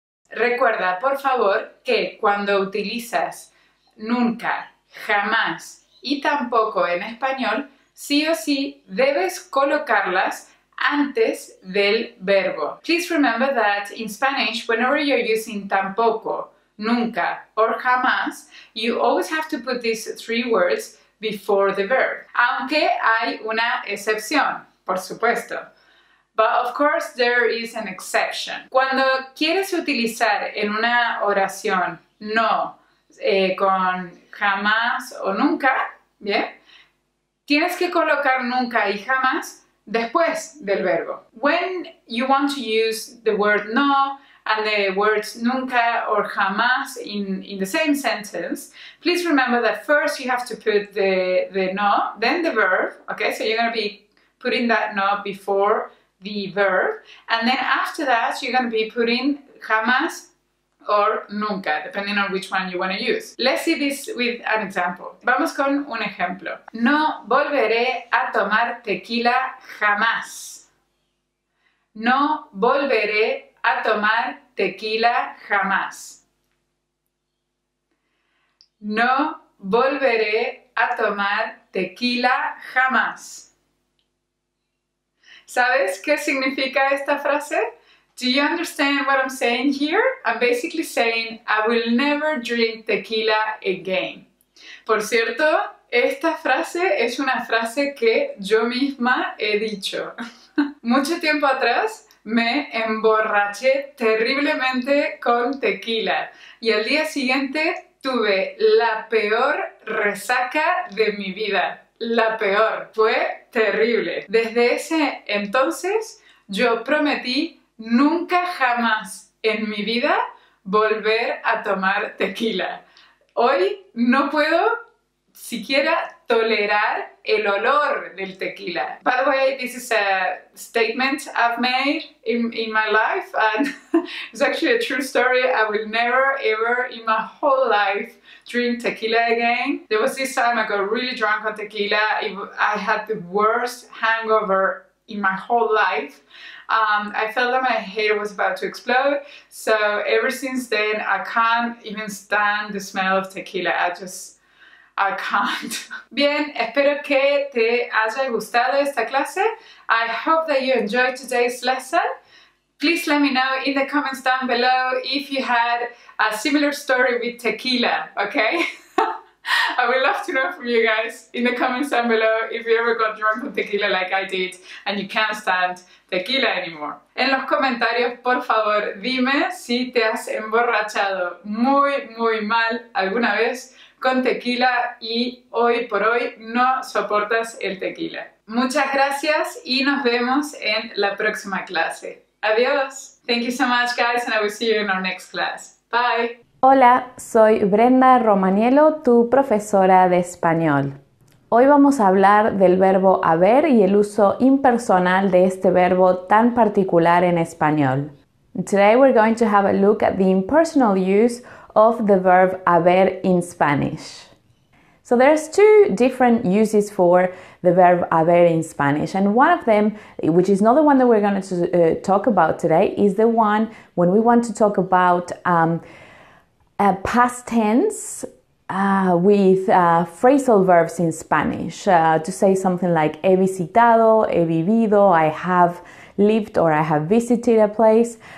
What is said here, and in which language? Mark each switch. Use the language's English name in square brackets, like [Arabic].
[Spanish] Recuerda, por favor, que cuando utilizas nunca, jamás y tampoco en español, sí o sí debes colocarlas antes del verbo. [English] Please remember that in Spanish, whenever you're using tampoco, nunca or jamás, you always have to put these three words before the verb. [Spanish] Aunque hay una excepción, por supuesto. [English] But of course there is an exception. [Spanish] Cuando quieres utilizar en una oración no, con jamás o nunca, ¿bien? Tienes que colocar nunca y jamás después del verbo. [English] When you want to use the word no and the words nunca or jamás in the same sentence, please remember that first you have to put the no, then the verb, okay? So you're going to be putting that no before the verb, and then after that you're going to be putting jamás or nunca, depending on which one you want to use. Let's see this with an example. [Spanish] Vamos con un ejemplo. No volveré a tomar tequila jamás. No volveré a tomar tequila jamás. No volveré a tomar tequila jamás. ¿Sabes qué significa esta frase? [English] Do you understand what I'm saying here? I'm basically saying, I will never drink tequila again. [Spanish] Por cierto, esta frase es una frase que yo misma he dicho. Mucho tiempo atrás me emborraché terriblemente con tequila y al día siguiente tuve la peor resaca de mi vida. La peor. Fue terrible. Desde ese entonces yo prometí nunca jamás en mi vida volver a tomar tequila. Hoy no puedo siquiera tolerar el olor del tequila. [English] By the way, this is a statement I've made in my life, and it's actually a true story. I will never ever in my whole life drink tequila again. There was this time I got really drunk on tequila. I had the worst hangover in my whole life. I felt that my head was about to explode. So ever since then, I can't even stand the smell of tequila. I can't. [Spanish] Bien, espero que te haya gustado esta clase. [English] I hope that you enjoyed today's lesson. Please let me know in the comments down below if you had a similar story with tequila, okay? I would love to know from you guys in the comments down below if you ever got drunk on tequila like I did and you can't stand tequila anymore. [Spanish] En los comentarios, por favor, dime si te has emborrachado muy, muy mal alguna vez con tequila y hoy por hoy no soportas el tequila. Muchas gracias y nos vemos en la próxima clase. Adiós. [English] Thank you so much, guys, and I will see you in our next class. Bye. [Spanish] Hola, soy Brenda Romaniello, tu profesora de español. Hoy vamos a hablar del verbo haber y el uso impersonal de este verbo tan particular en español. [English] Today we're going to have a look at the impersonal use of the verb haber in Spanish. So there's two different uses for the verb haber in Spanish, and one of them, which is not the one that we're going to talk about today, is the one when we want to talk about a past tense with phrasal verbs in Spanish, to say something like [Spanish] he visitado, he vivido, [English] I have lived or I have visited a place.